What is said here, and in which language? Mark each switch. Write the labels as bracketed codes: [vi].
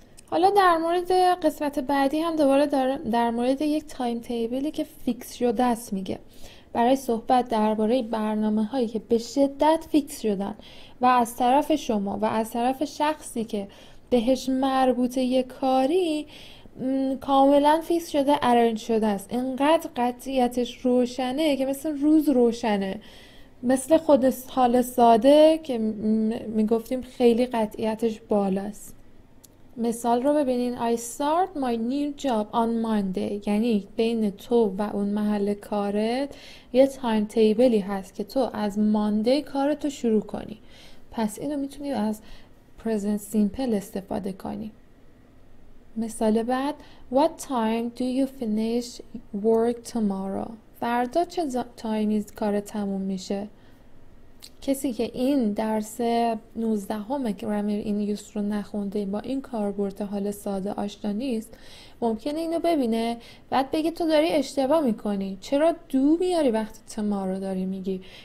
[fa] حالا در مورد قسمت بعدی هم دوباره در مورد یک تایم تیبلی که فیکس شده است میگه برای صحبت درباره برنامه هایی که به شدت فیکس شدن و از طرف شما و از طرف شخصی که بهش مربوطه یه کاری کاملا فیکس شده، ارنج شده است. اینقدر قطعیتش روشنه که مثل روز روشنه، مثل خود حال ساده که میگفتیم خیلی قطعیتش بالاست. مثال رو ببینین. [en] I start my new job on Monday. [fa] یعنی بین تو و اون محل کارت یه تایم تیبلی هست که تو از ماندی کارت رو شروع کنی. پس اینو میتونی از present simple استفاده کنی. [en] مثال بعد، What time do you finish work tomorrow? [fa] فردا چه تایمی کار تموم میشه؟ کسی که این درس 19 همه گرامر این یوس رو نخونده، با این کاربرد حال ساده آشنا نیست، ممکنه اینو ببینه بعد بگه تو داری اشتباه میکنی، چرا دو میاری وقتی تمارو داری میگی.